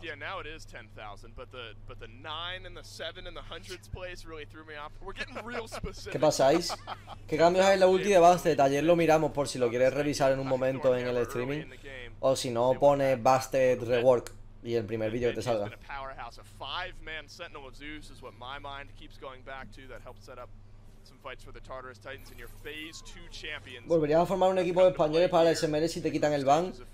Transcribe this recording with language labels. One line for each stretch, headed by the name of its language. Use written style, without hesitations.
English: Yeah, now it is 10,000, but the 9 and the 7 and the hundreds place really threw me off. We're getting real specific.
Spanish: ¿Qué pasáis? ¿Qué cambios hay en la ulti de Bastet? Ayer lo miramos por si lo quieres revisar en un momento en el streaming. O si no, pone Bastet Rework y el primer vídeo que te salga.
English: A powerhouse, a 5-man Sentinel of Zeus is what my mind keeps going back to that helps set up some fights for the Tartarus Titans and your phase 2 champions.
Spanish: ¿Volverías a formar un equipo de españoles para el SMR si te quitan el ban?